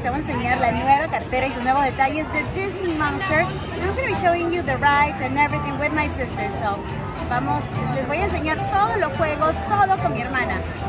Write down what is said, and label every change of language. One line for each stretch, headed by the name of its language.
Spanish: Te voy a enseñar la nueva cartera y sus nuevos detalles de Disney Monster.
English: And I'm going to be showing you the rides and everything with my sister.
Spanish: So, vamos. Les voy a enseñar todos los juegos, todo con mi hermana.